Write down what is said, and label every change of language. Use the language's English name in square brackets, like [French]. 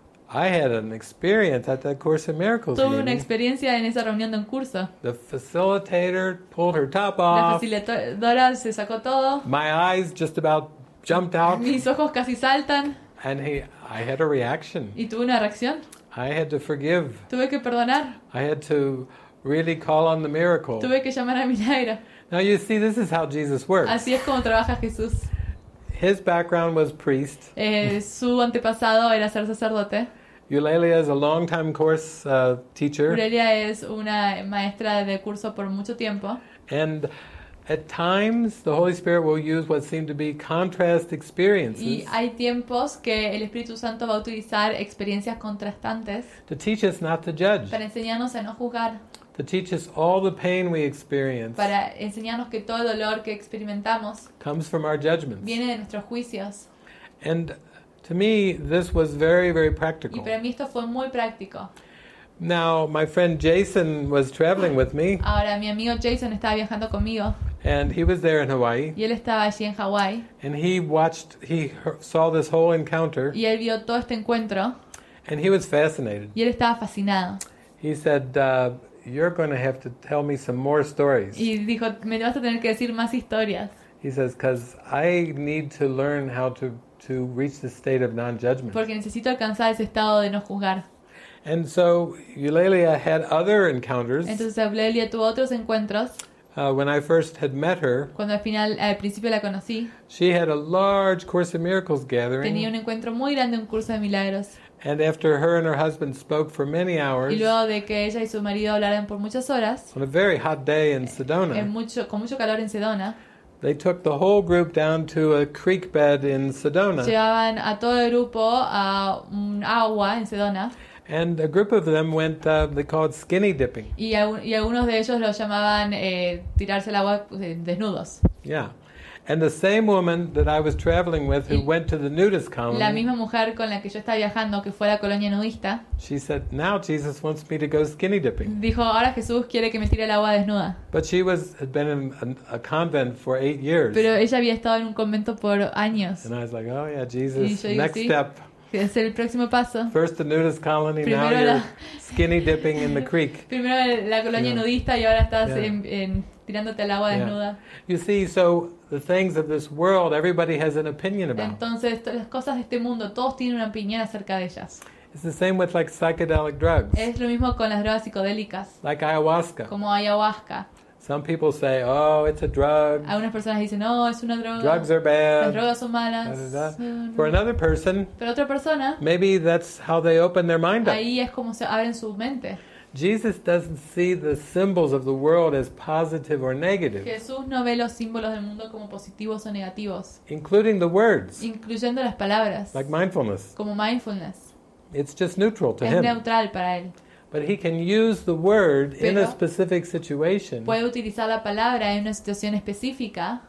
[English] I had an experience at that Course in Miracles. [Spanish] Tuve una experiencia en esa reunión de un curso. [English] The facilitator pulled her top off. [Spanish] La facilitadora se sacó todo. [English] My eyes just about jumped out. [Spanish] Mis ojos casi saltan. [English] And I had a reaction. [Spanish] Y tuve una reacción. [English] I had to forgive. [Spanish] Tuve que perdonar. [English] I had to really call on the miracle. [Spanish] Tuve que llamar a milagro. [English] Now you see, this is how Jesus works. [Spanish] Así es como trabaja Jesús. [English] His background was priest. [Spanish] Su antepasado era ser sacerdote. [English] Eulalia is a long-time course teacher. [Spanish] Eulalia es una maestra de curso por mucho tiempo. [English] And at times, the Holy Spirit will use what seem to be contrast experiences. [Spanish] Y hay tiempos que el Espíritu Santo va a utilizar experiencias contrastantes. [English] To teach us not to judge. [Spanish] Para enseñarnos a no juzgar. [English] To teach us all the pain we experience. [Spanish] Para enseñarnos que todo el dolor que experimentamos [English] comes from our judgments. [Spanish] Viene de nuestros juicios. [English] And to me, this was very, very practical. [Spanish] Y para mí esto fue muy práctico. [English] Now, my friend Jason was traveling with me. [Spanish] Ahora, mi amigo Jason estaba viajando conmigo. [English] And he was there in Hawaii. [Spanish] Y él estaba allí en Hawaii. [English] And he saw this whole encounter. [Spanish] Y él vio todo este encuentro. [English] And he was fascinated. [Spanish] Y él estaba fascinado. [English] He said, you're going to have to tell me some more stories. [Spanish] Y dijo, me vas a tener que decir más historias. [English] He says, because I need to learn how to reach the state of non-judgment. [Spanish] Porque necesito alcanzar ese estado de no juzgar. [English] And so Eulalia had other encounters. [Spanish] Entonces Eulalia tuvo otros encuentros. [English] When I first had met her, [Spanish] cuando al principio la conocí, [English] she had a large Course in Miracles gathering. [Spanish] Tenía un encuentro muy grande, un curso de milagros. [English] And after her and her husband spoke for many hours, [Spanish] y luego de que ella y su marido hablaron por muchas horas, [English] on a very hot day in Sedona, [Spanish] con mucho calor en Sedona, [English] they took the whole group down to a creek bed in Sedona. [Spanish] Llevaban a todo el grupo a un agua en Sedona. [English] And a group of them went, they called skinny dipping. [Spanish] Y algunos de ellos lo llamaban tirarse al agua desnudos. [English] Yeah. And the same woman that I was traveling with who went to the nudist colony. [Spanish] La misma mujer con la que yo estaba viajando que fue a la colonia nudista. [English] She said, "Now Jesus wants me to go skinny dipping." [Spanish] Dijo, "Ahora Jesús quiere que me tire al agua desnuda." [English] But she had been in a convent for 8 years. [Spanish] Pero ella había estado en un convento por años. [English] And I was like, "Oh yeah, Jesus, next step." [Spanish] Es el próximo paso. [English] First the nudist colony, [Spanish] primero [English] now you're skinny dipping in the creek. [Spanish] Primero la colonia nudista y ahora estás en tirándote al agua desnuda. [English] You see, so the things of this world, everybody has an opinion about. [Spanish] Entonces, todas las cosas de este mundo, todos tienen una opinión acerca de ellas. [English] It's the same with like psychedelic drugs. [Spanish] Es lo mismo con las drogas psicodélicas. [English] Like ayahuasca. [Spanish] Como ayahuasca. [English] Some people say, oh, it's a drug. [Spanish] Algunas personas dicen, no, es una droga. [English] Drugs are bad. [Spanish] Las drogas son malas. [English] For another person, [Spanish] pero otra persona, [English] maybe that's how they open their mind up. [Spanish] Ahí es como se abren su mente. [English] Jesus doesn't see the symbols of the world as positive or negative. [Spanish] Jesús no ve los símbolos del mundo como positivos o negativos. [English] Including the words. [Spanish] Incluyendo las palabras. [English] Like mindfulness. [Spanish] Como mindfulness. [English] It's just neutral to [Spanish] es [English] him. [Spanish] Es neutral para él. [English] But he can use the word [Spanish] pero [English] in a specific situation. [Spanish] Puede utilizar la palabra en una situación específica.